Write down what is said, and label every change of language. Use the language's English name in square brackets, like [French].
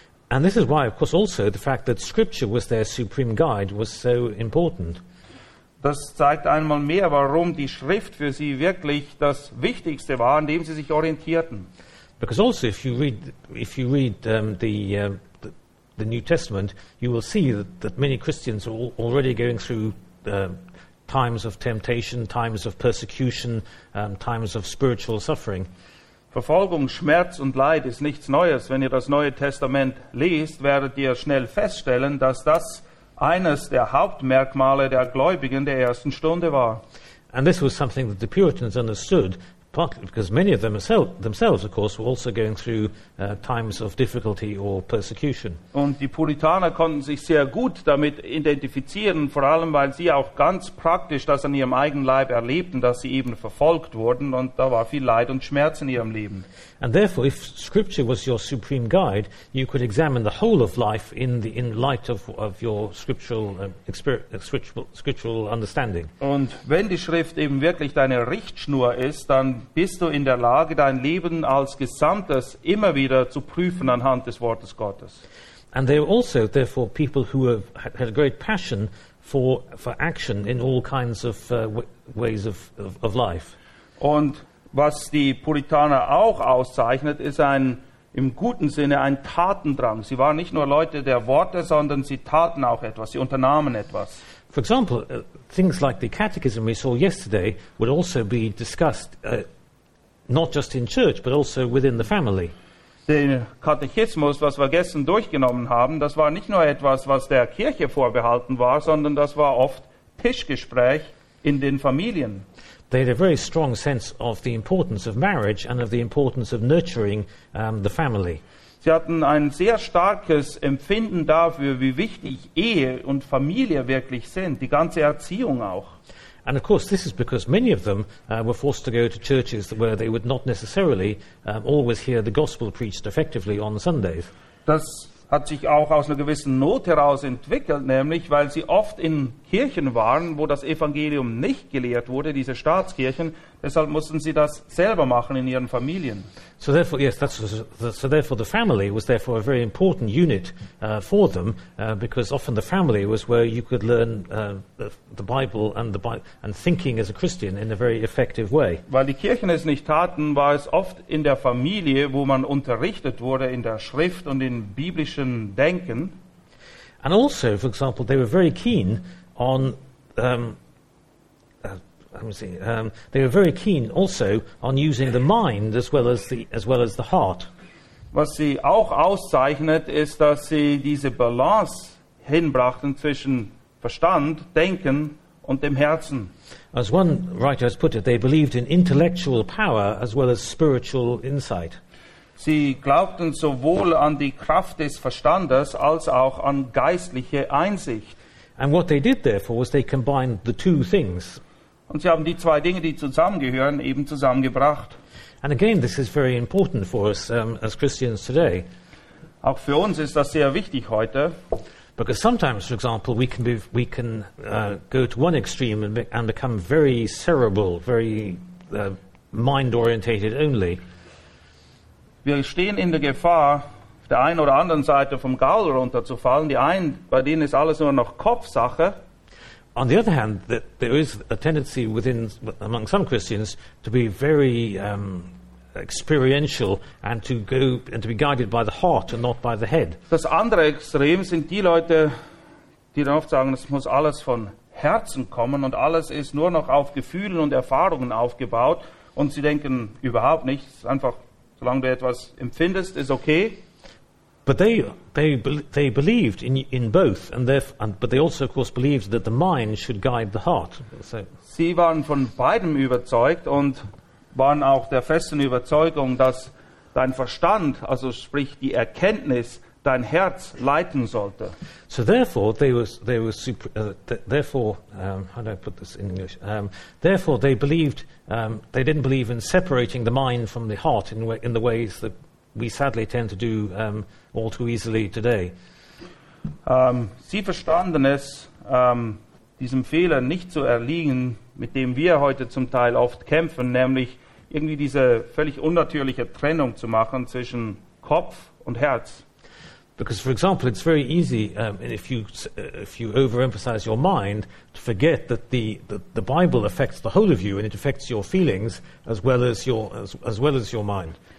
[English] And this is why, of course, also the fact that Scripture was their supreme guide was so important. [German] Das zeigt einmal mehr, warum die Schrift für sie wirklich das Wichtigste war, an dem sie sich orientierten. [English] Because also, if you read the New Testament, you will see that many Christians are already going through times of temptation, times of persecution, times of spiritual suffering. [German] Verfolgung, Schmerz und Leid ist nichts Neues. Wenn ihr das Neue Testament lest, werdet ihr schnell feststellen, dass das eines der Hauptmerkmale der Gläubigen der ersten Stunde war. [English] And this was something that the Puritans understood, partly because many of them themselves, of course, were also going through times of difficulty or persecution. [German] Und die Puritaner konnten sich sehr gut damit identifizieren, vor allem weil sie auch ganz praktisch das an ihrem eigenen Leib erlebten, dass sie eben verfolgt wurden und da war viel Leid und Schmerz in ihrem Leben. [English] And therefore, if Scripture was your supreme guide, you could examine the whole of life in light of your scriptural understanding. [German] Und wenn die Schrift eben wirklich deine Richtschnur ist, dann bist du in der Lage, dein Leben als Gesamtes immer wieder zu prüfen anhand des Wortes Gottes. [English] And they were also, therefore, people who had a great passion for action in all kinds of ways of life. [German] Und was die Puritaner auch auszeichnet, ist ein, im guten Sinne, ein Tatendrang. Sie waren nicht nur Leute der Worte, sondern sie taten auch etwas, sie unternahmen etwas. [English] For example, things like the catechism we saw yesterday would also be discussed not just in church, but also within the family. [German] Den Katechismus, was wir gestern durchgenommen haben, das war nicht nur etwas, was der Kirche vorbehalten war, sondern das war oft Tischgespräch in den Familien. [English] They had a very strong sense of the importance of marriage and of the importance of nurturing the family. [German] Sie hatten ein sehr starkes Empfinden dafür, wie wichtig Ehe und Familie wirklich sind, die ganze Erziehung auch. [English] And of course this is because many of them were forced to go to churches where they would not necessarily always hear the gospel preached effectively on Sundays. [German] Das hat sich auch aus einer gewissen Not heraus entwickelt, nämlich weil sie oft in Kirchen waren, wo das Evangelium nicht gelehrt wurde, diese Staatskirchen, deshalb mussten sie das selber machen in ihren Familien. [English] So therefore, yes, therefore the family was therefore a very important unit for them, because often the family was where you could learn the Bible and thinking as a Christian in a very effective way. [German] Weil die Kirchen es nicht taten, war es oft in der Familie, wo man unterrichtet wurde in der Schrift und in biblischen Denken. [English] And also, for example, they were very keen on they were very keen also on using the mind as well as the heart. [German] Was sie auch auszeichnet, ist, dass sie diese Balance hinbrachten zwischen Verstand, Denken und dem Herzen. [English] As one writer has put it, they believed in intellectual power as well as spiritual insight. [German] Sie glaubten sowohl an die Kraft des Verstandes als auch an geistliche Einsicht. [English] And what they did therefore was they combined the two things. [German] Und sie haben die zwei Dinge, die zusammengehören, eben zusammengebracht. [English] And again, this is very important for us as Christians today. [German] Auch für uns ist das sehr wichtig heute. [English] Because sometimes, for example, we can go to one extreme and become very cerebral, very mind-orientated only. [German] Wir stehen in der Gefahr, der einen oder anderen Seite vom Gaul runterzufallen. Die einen, bei denen ist alles nur noch Kopfsache. [English] On the other hand, there is a tendency within among some Christians to be very experiential and to go and to be guided by the heart and not by the head. [German] Das andere Extrem sind die Leute, die dann oft sagen, es muss alles von Herzen kommen und alles ist nur noch auf Gefühlen und Erfahrungen aufgebaut und sie denken überhaupt nicht, es ist einfach, solange du etwas empfindest, ist okay. [English] But they believed in both, but they also of course believed that the mind should guide the heart. So. [German] Sie waren von beidem überzeugt und waren auch der festen Überzeugung, dass dein Verstand, also sprich die Erkenntnis, dein Herz leiten sollte. [English] So therefore they didn't believe in separating the mind from the heart in the ways that we sadly tend to do all too easily today. [German] Sie verstanden es, diesem Fehler nicht zu erliegen, mit dem wir heute zum Teil oft kämpfen, nämlich irgendwie diese völlig unnatürliche Trennung zu machen zwischen Kopf und Herz. [English] Because, for example, it's very easy if you overemphasize your mind to forget that the Bible affects the whole of you and it affects your feelings as well as your mind.